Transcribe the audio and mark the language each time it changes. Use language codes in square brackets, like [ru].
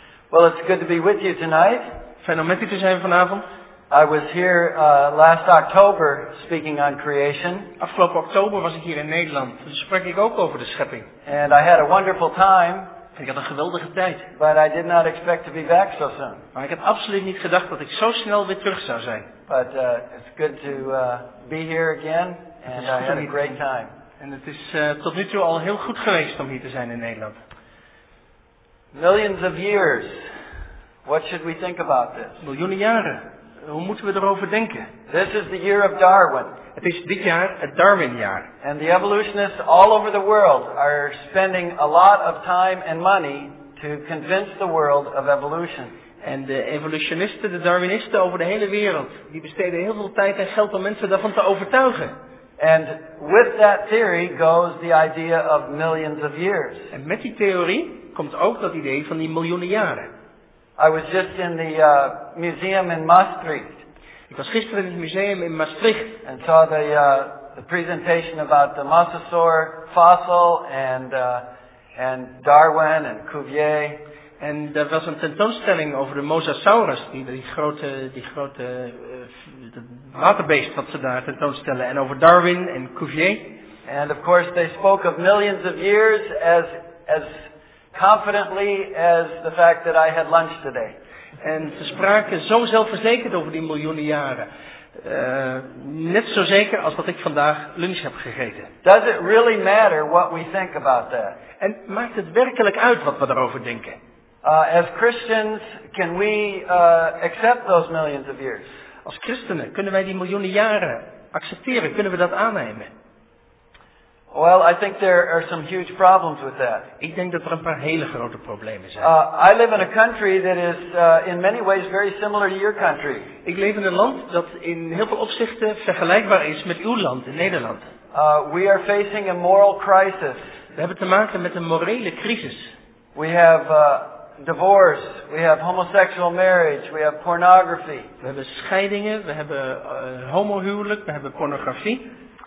[en] Well, it's good to be with you tonight. [nl] Fijn om met u te zijn vanavond. [en] I was here last October speaking on creation. [nl] Afgelopen oktober was ik hier in Nederland. Dus sprak ik ook over de schepping. [en] And I had a wonderful time. [nl] Ik had een geweldige tijd. [en] But I did not expect to be back so soon. [nl] Maar ik had absoluut niet gedacht dat ik zo snel weer terug zou zijn. [en] But it's good to be here again. And I had a great time. [nl] En het is tot nu toe al heel goed geweest om hier te zijn in Nederland. [en] Millions of years. What should we think about this? [nl] Miljoenen jaren. Hoe moeten we erover denken? [en] This is the year of Darwin. [nl] Het is dit jaar het Darwinjaar. [en] And the evolutionists all over the world are spending a lot of time and money to convince the world of evolution. [nl] En de evolutionisten, de Darwinisten over de hele wereld, die besteden heel veel tijd en geld om mensen daarvan te overtuigen. [en] And with that theory goes the idea of millions of years. [nl] En met die theorie komt ook dat idee van die miljoenen jaren. [en] I was just in the museum in Maastricht. [nl] Ik was gisteren in het museum in Maastricht. [en] And saw the presentation about the mosasaur fossil and Darwin and Cuvier. [nl] En daar was een tentoonstelling over de mosasaurus, die grote waterbeest wat ze daar tentoonstellen, en over Darwin en Cuvier. [en] And of course they spoke of millions of years as confidently as the fact that I had lunch today. [nl] En ze spraken zo zelfverzekerd over die miljoenen jaren. Net zo zeker als dat ik vandaag lunch heb gegeten. [en] Does it really matter what we think about that? [nl] En maakt het werkelijk uit wat we daarover denken? [en] As Christians, can we accept those millions of years? [nl] Als christenen, kunnen wij die miljoenen jaren accepteren? Kunnen we dat aannemen? [en] Well, I think there are some huge problems with that. [nl] Ik denk dat er een paar hele grote problemen zijn. [en] I live in a country that is in many ways very similar to your country. [nl] Ik leef in een land dat in heel veel opzichten vergelijkbaar is met uw land, in Nederland. [en] We are facing a moral crisis. [nl] We hebben te maken met een morele crisis. [en] We have divorce, we have homosexual marriage, we have pornography. [nl] We hebben scheidingen, we hebben homohuwelijk, we hebben pornografie.